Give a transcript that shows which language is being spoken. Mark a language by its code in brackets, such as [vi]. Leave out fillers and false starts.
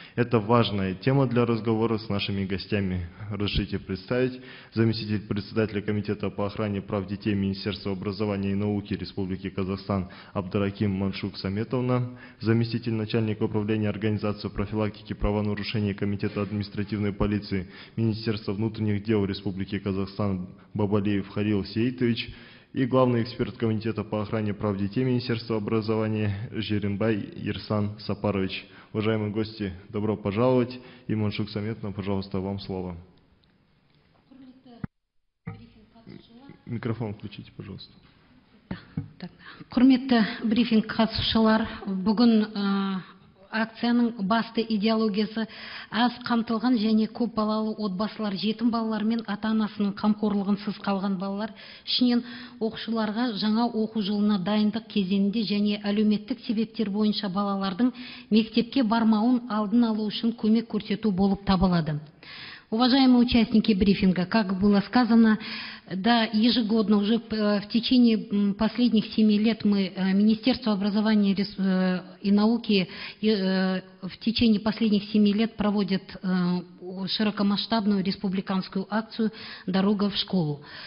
[ru] Это важная тема для разговора с нашими гостями. Разрешите представить заместитель председателя Комитета по охране прав детей Министерства образования и науки Республики Казахстан Абдыраким Маншук Саметовна, заместитель начальника управления организации профилактики правонарушений Комитета административной полиции Министерства внутренних дел Республики Казахстан Бабалиев Халил Сеитович и главный эксперт Комитета по охране прав детей Министерства образования Жиренбай Ирсан Сапарович. Уважаемые гости, добро пожаловать. И Маншук Саметовна, пожалуйста, вам слово. Микрофон включите, пожалуйста. [kk] Құрметті брифинг қатысушылар, бүгін акцияның басты идеологиясы аз қамтылған және көп балалы отбасылар, жетім балалар мен ата-анасының қамқорлығынсыз қалған балалар ішінен оқушыларға жаңа оқу жылына дайындық кезеңінде және әлеуметтік себептер бойынша балалардың мектепке бармауын алдын алу үшін көмек көрсету болып табылады. [ru] Уважаемые участники брифинга, как было сказано, да, ежегодно уже в течение последних 7 лет мы, Министерство образования и науки, в течение последних 7 лет проводит широкомасштабную республиканскую акцию «Дорога в школу».